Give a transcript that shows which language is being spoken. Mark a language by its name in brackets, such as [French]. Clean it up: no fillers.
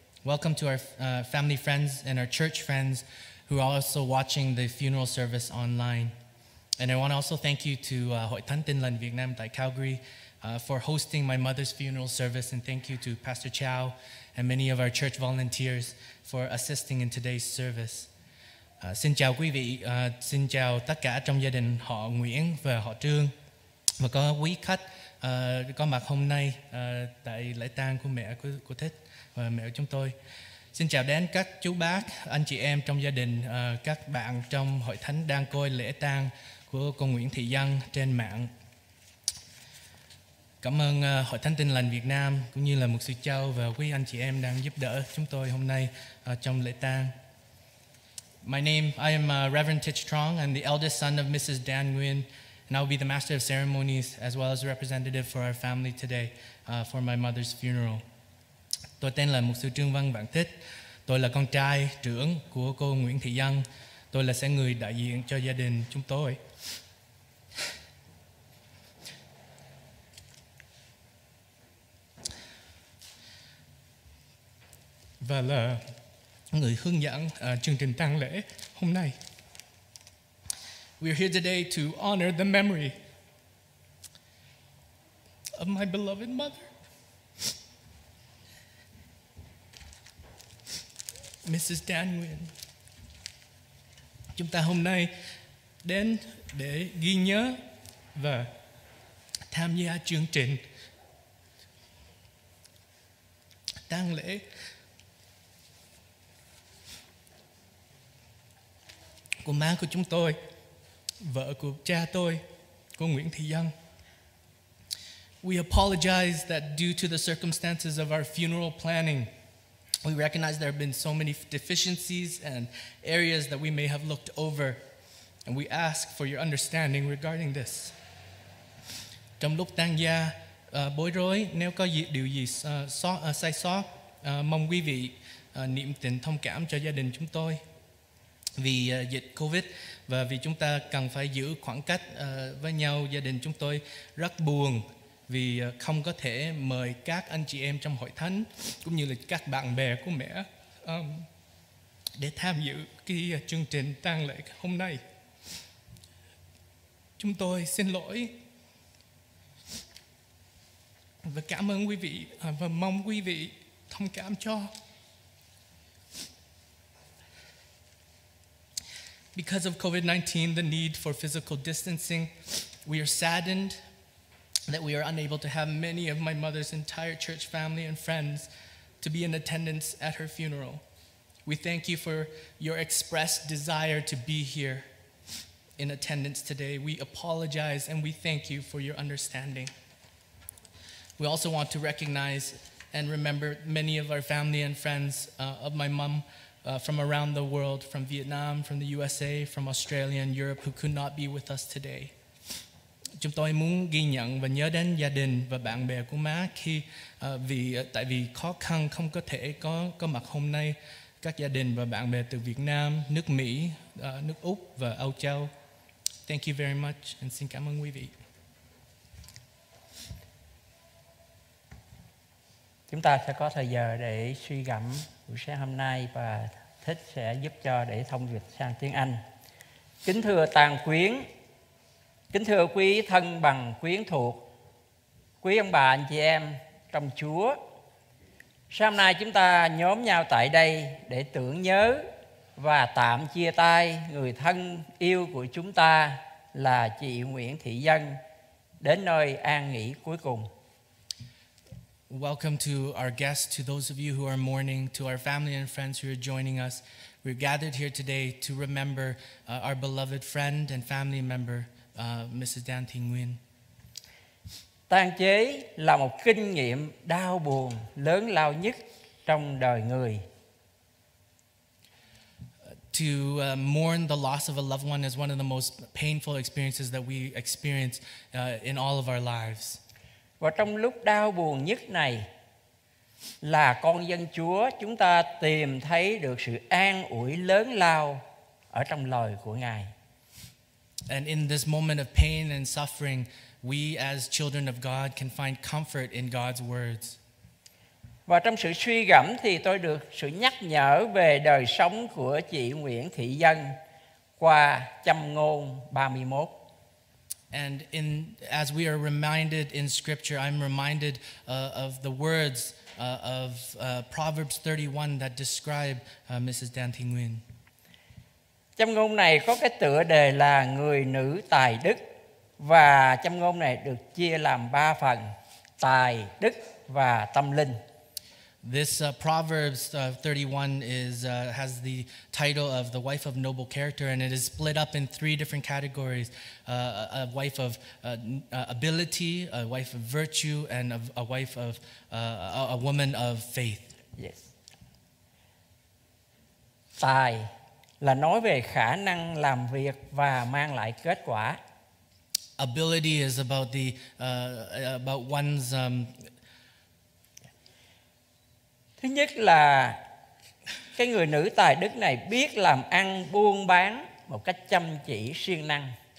[English] Welcome to our family friends and our church friends who are also watching the funeral service online. And I want to also thank you to Hội Thánh Tin Lành Việt Nam tại Calgary for hosting my mother's funeral service, and thank you to Pastor Chow and many of our church volunteers for assisting in today's service. [Vietnamese] Xin chào quý vị, xin chào tất cả trong gia đình họ Nguyễn và họ Trương và có quý khách có mặt hôm nay tại lễ tang của mẹ của Thích và mẹ của chúng tôi. Xin chào đến các chú bác, anh chị em trong gia đình, các bạn trong hội thánh đang coi lễ tang của cô Nguyễn Thị Dân trên mạng. Cảm ơn Hội Thánh Tin Lành Việt Nam cũng như là Mục sư Châu và quý anh chị em đang giúp đỡ chúng tôi hôm nay trong lễ tang. [English] I am Reverend Titch Trong. I'm the eldest son of Mrs. Dan Nguyen, and I'll be the master of ceremonies as well as a representative for our family today for my mother's funeral. [Vietnamese] Tôi tên là Mục sư Trương Văn Vạn Thích. Tôi là con trai trưởng của cô Nguyễn Thị Dân. Tôi là sẽ người đại diện cho gia đình chúng tôi. Và là người hướng dẫn chương trình tang lễ hôm nay. [English] We are here today to honor the memory of my beloved mother, Mrs. Dan Nguyen. [Vietnamese] Chúng ta hôm nay đến để ghi nhớ và tham gia chương trình tang lễ của má của chúng tôi, vợ của cha tôi, cô Nguyễn Thị Dân. [English] We apologize that due to the circumstances of our funeral planning, we recognize there have been so many deficiencies and areas that we may have looked over, and we ask for your understanding regarding this. [Vietnamese] Trong lúc tang gia, bối rối, nếu có điều gì sai sót, mong quý vị niệm tình thông cảm cho gia đình chúng tôi. Vì dịch COVID và vì chúng ta cần phải giữ khoảng cách với nhau, gia đình chúng tôi rất buồn vì không có thể mời các anh chị em trong hội thánh cũng như là các bạn bè của mẹ để tham dự cái chương trình tang lễ hôm nay. Chúng tôi xin lỗi và cảm ơn quý vị và mong quý vị thông cảm cho. [English] Because of COVID-19, the need for physical distancing, we are saddened that we are unable to have many of my mother's entire church family and friends to be in attendance at her funeral. We thank you for your expressed desire to be here in attendance today. We apologize and we thank you for your understanding. We also want to recognize and remember many of our family and friends of my mom from around the world, from Vietnam, from the USA, from Australia and Europe, who could not be with us today. [Vietnamese] Chúng tôi muốn ghi nhận và nhớ đến gia đình và bạn bè của má khi tại vì khó khăn không có thể có mặt hôm nay. Các gia đình và bạn bè từ Việt Nam, nước Mỹ, nước Úc và Âu Châu. [English] Thank you very much and [Vietnamese] xin cảm ơn quý vị. Chúng ta sẽ có thời giờ để suy gẫm buổi sáng hôm nay và Thích sẽ giúp cho để thông dịch sang tiếng Anh. Kính thưa tàng quyến, kính thưa quý thân bằng quyến thuộc, quý ông bà anh chị em trong Chúa, sáng nay chúng ta nhóm nhau tại đây để tưởng nhớ và tạm chia tay người thân yêu của chúng ta là chị Nguyễn Thị Dân đến nơi an nghỉ cuối cùng. [English] Welcome to our guests, to those of you who are mourning, to our family and friends who are joining us. We're gathered here today to remember our beloved friend and family member, Mrs. Dan Thị Nguyên. [Vietnamese] Tang chế là một kinh nghiệm đau buồn lớn lao nhất trong đời người. [English] To mourn the loss of a loved one is one of the most painful experiences that we experience in all of our lives. [Vietnamese] Và trong lúc đau buồn nhất này là con dân Chúa chúng ta tìm thấy được sự an ủi lớn lao ở trong lời của Ngài. [English] And in this moment of pain and suffering, we as children of God can find comfort in God's words. [Vietnamese] Và trong sự suy gẫm thì tôi được sự nhắc nhở về đời sống của chị Nguyễn Thị Dân qua Châm Ngôn 31. [English] And in as we are reminded in scripture, I'm reminded of the words of Proverbs 31 that describe Mrs. Dan Thị Nguyên. [Vietnamese] Châm ngôn này có cái tựa đề là người nữ tài đức. Và châm ngôn này được chia làm ba phần: tài, đức và tâm linh. [English] This Proverbs 31 has the title of the wife of noble character, and it is split up in three different categories: a wife of ability, a wife of virtue, and a wife of a woman of faith. Yes. [Vietnamese] Tài là nói về khả năng làm việc và mang lại kết quả. [English] Ability is about the about one's [Vietnamese] Thứ nhất là cái người nữ tài đức này biết làm ăn buôn bán một cách chăm chỉ siêng năng.